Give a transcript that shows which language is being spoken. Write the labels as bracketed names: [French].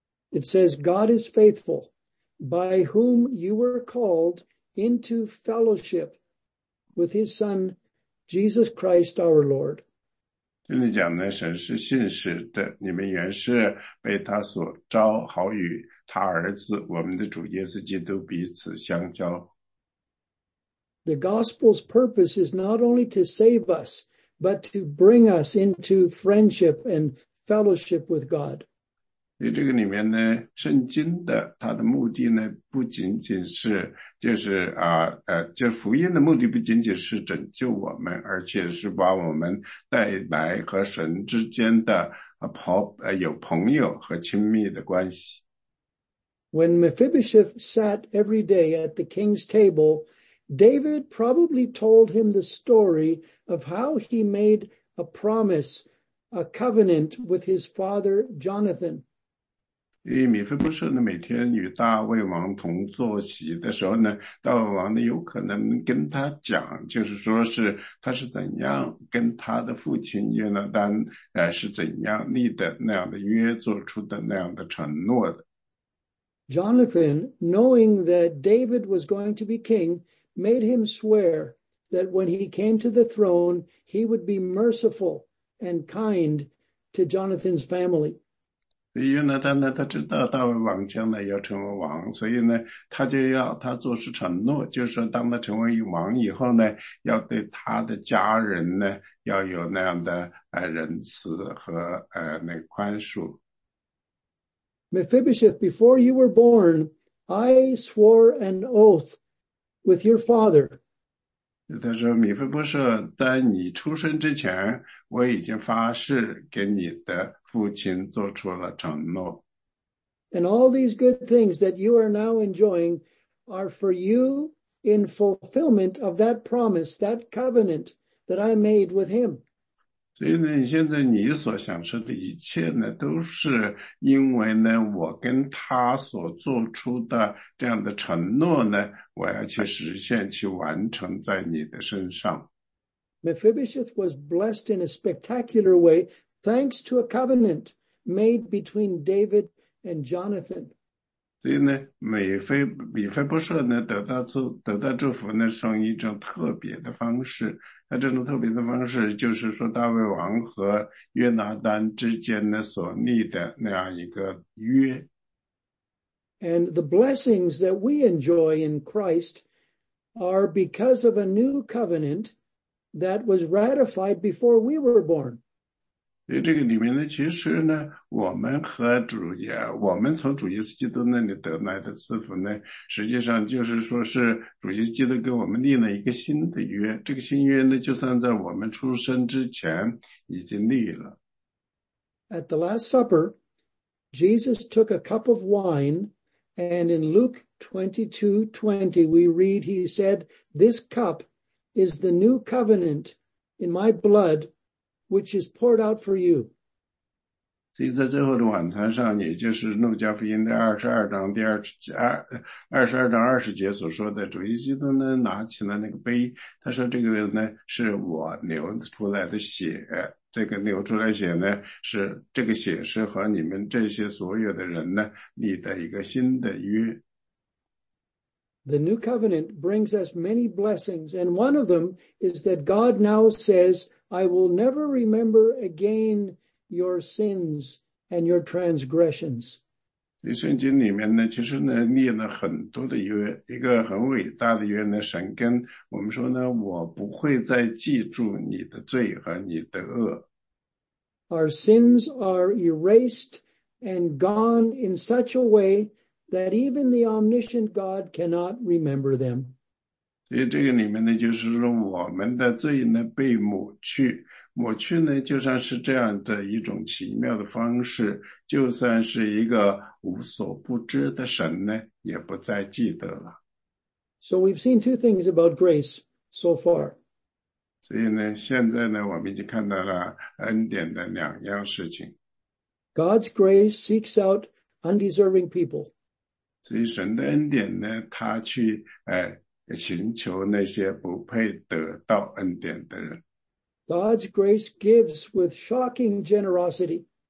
[English] It says, God is faithful, by whom you were called into fellowship with his Son, Jesus Christ our Lord. [Chinese] 这里讲呢，神是信实的，你们原是被他所召，好与他儿子，我们的主耶稣基督彼此相交。 [English] The gospel's purpose is not only to save us, but to bring us into friendship and fellowship with God. [Chinese] 所以这个里面呢，圣经的它的目的呢，不仅仅是就是啊就福音的目的不仅仅是拯救我们，而且是把我们带来和神之间的有朋友和亲密的关系。 [English] When Mephibosheth sat every day at the king's table, David probably told him the story of how he made a promise, a covenant with his father Jonathan. [Chinese] 因为米菲波设呢，每天与大卫王同坐席的时候呢，大卫王呢有可能跟他讲，就是说是他是怎样跟他的父亲约拿丹是怎样立的那样的约，做出的那样的承诺的。 [English] Jonathan, knowing that David was going to be king, made him swear that when he came to the throne, he would be merciful and kind to Jonathan's family. [Chinese] 所以呢，他呢，他知道大卫王将来要成为王，所以呢，他就要他做出承诺，就是说，当他成为王以后呢，要对他的家人呢，要有那样的仁慈和那个宽恕。 [English] Mephibosheth, before you were born, I swore an oath with your father. [Chinese] 他说，米菲波设，在你出生之前，我已经发誓给你的。父亲做出了承诺。 [English] And all these good things that you are now enjoying are for you in fulfillment of that promise, that covenant that I made with him. [Chinese] 所以呢，现在你所享受的一切呢，都是因为呢，我跟他所做出的这样的承诺呢，我要去实现，去完成在你的身上。 [English] Mephibosheth was blessed in a spectacular way. Thanks to a covenant made between David and Jonathan. [Chinese] 所以呢，米菲波设呢得到祝福呢，是用一种特别的方式。那这种特别的方式，就是说大卫王和约拿丹之间呢所立的那样一个约。 [English] And the blessings that we enjoy in Christ are because of a new covenant that was ratified before we were born. [Chinese] 所以这个里面呢，其实呢，我们和主耶，我们从主耶稣基督那里得来的赐福呢，实际上就是说是主耶稣基督给我们立了一个新的约。这个新约呢，就算在我们出生之前已经立了。 [English] At the Last Supper, Jesus took a cup of wine, and in Luke 22:20, we read, he said, "This cup is the new covenant in my blood." Which is poured out for you. [Chinese] 所以在最后的晚餐上，也就是路加福音第22章20节所说的，主耶稣基督呢拿起了那个杯，他说这个呢是我流出来的血，这个流出来血呢是这个血是和你们这些所有的人呢立的一个新的约。 [English] The new covenant brings us many blessings, and one of them is that God now says,I will never remember again your sins and your transgressions. [Chinese] 所以圣经里面呢，其实呢立了很多的约，一个很伟大的约呢，神跟我们说呢，我不会再记住你的罪和你的恶。 [English] Our sins are erased and gone in such a way that even the omniscient God cannot remember them. [Chinese] 所以这个里面呢，就是说我们的罪呢被抹去，抹去呢就像是这样的一种奇妙的方式，就算是一个无所不知的神呢，也不再记得了。 [English] So we've seen two things about grace so far. [Chinese] 所以呢，现在呢，我们已经看到了恩典的两样事情。 [English] God's grace seeks out undeserving people. [Chinese] 所以神的恩典呢，他去寻求那些不配得到恩典的人。 [English] God's grace gives with shocking generosity.